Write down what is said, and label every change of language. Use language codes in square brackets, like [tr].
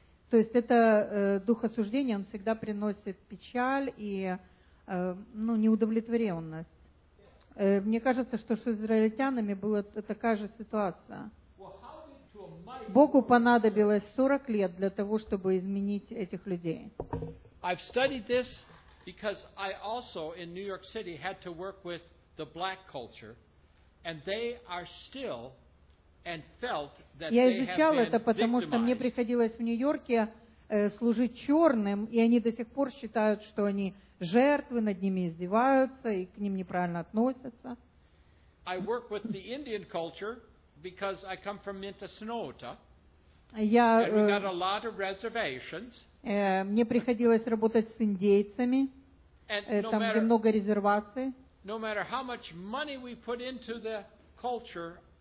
[ru] То есть это дух осуждения, он всегда приносит печаль и ну, неудовлетворенность. Мне кажется, что с израильтянами была такая же ситуация. Богу понадобилось 40 лет для того, чтобы изменить этих людей. [en] I've studied this because I also in New York City had to work with the black culture, and they are still and felt that [ru] я изучал это, потому что мне приходилось в Нью-Йорке служить черным, и они до сих пор считают, что они жертвы, над ними издеваются и к ним неправильно относятся. [en] I work with the Indian culture because I come from Minnesota. [ru] Я [en] got a lot of reservations. [ru] Мне приходилось работать с индейцами, там где много резерваций. [en] No matter how much money we put into the culture.